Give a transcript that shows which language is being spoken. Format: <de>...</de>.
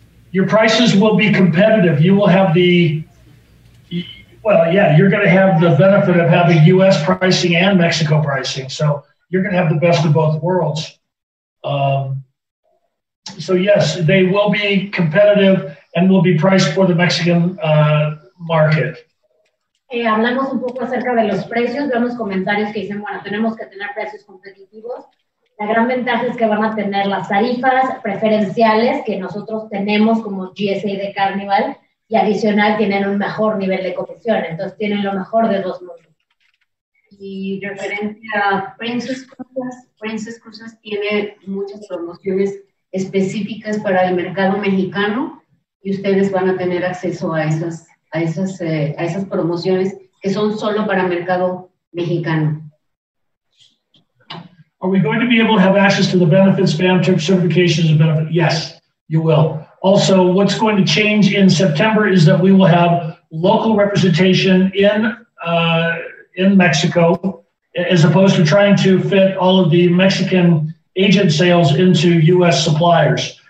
<en>Your prices will be competitive. You will have the, well, yeah, you're going to have the benefit of having U.S. pricing and Mexico pricing. So you're going to have the best of both worlds. So yes, they will be competitive and will be priced for the Mexican market.</en> <es>Hablamos un poco acerca de los precios, vemos comentarios que dicen, bueno, tenemos que tener precios competitivos. La gran ventaja es que van a tener las tarifas preferenciales que nosotros tenemos como GSA de Carnival y adicional tienen un mejor nivel de cotización, entonces tienen lo mejor de dos mundos. Y referente a Princess Cruises tiene muchas promociones específicas para el mercado mexicano y ustedes van a tener acceso a esas promociones que son solo para mercado mexicano.</es> <en>Are we going to be able to have access to the benefits, spam trip certifications and benefits? Yes, you will. Also, what's going to change in September is that we will have local representation in Mexico, as opposed to trying to fit all of the Mexican agent sales into U.S. suppliers.</en>